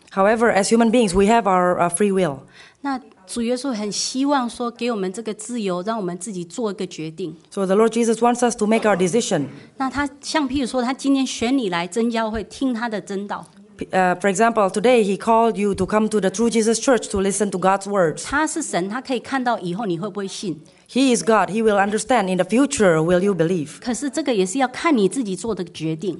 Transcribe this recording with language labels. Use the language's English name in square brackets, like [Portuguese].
[English] However, as human beings, we have our free will. [Chinese] 那主耶稣很希望说给我们这个自由, 让我们自己做一个决定。 [English] So the Lord Jesus wants us to make our decision. [Chinese] 那他像譬如说他今天选你来真教会听他的真道。 [English] For example, today he called you to come to the True Jesus Church to listen to God's words. [Chinese] 他是神, 他可以看到以后你会不会信。 [English] He is God. He will understand in the future, will you believe? [Chinese] 可是这个也是要看你自己做的决定。